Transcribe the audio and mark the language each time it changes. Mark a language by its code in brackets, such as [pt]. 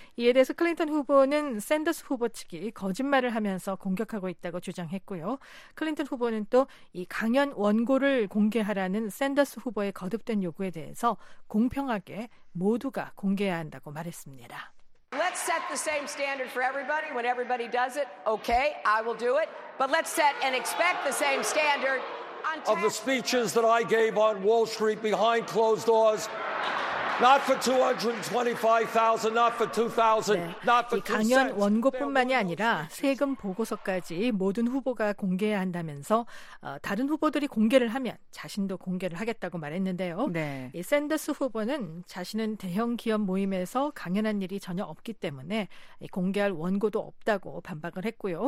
[ko] 이에 대해서 클린턴 후보는 샌더스 후보 측이 거짓말을 하면서 공격하고 있다고 주장했고요. 클린턴 후보는 또 이 강연 원고를 공개하라는 샌더스 후보의 거듭된 요구에 대해서 공평하게 모두가 공개해야 한다고 말했습니다. [en] Let's set the same standard for everybody. When everybody does it, okay, I will do it. But let's set and expect the same standard of the speeches that I gave on Wall Street behind closed doors. Not for 225,000, not for 2,000, [ko] 네. [en] not for 2,000. [ko] 강연 원고뿐만이 아니라 세금 보고서까지 모든 후보가 공개해야 한다면서 다른 후보들이 공개를 하면 자신도 공개를 하겠다고 말했는데요. 네. 이 샌더스 후보는 자신은 대형 기업 모임에서 강연한 일이 전혀 없기 때문에 공개할 원고도 없다고 반박을 했고요.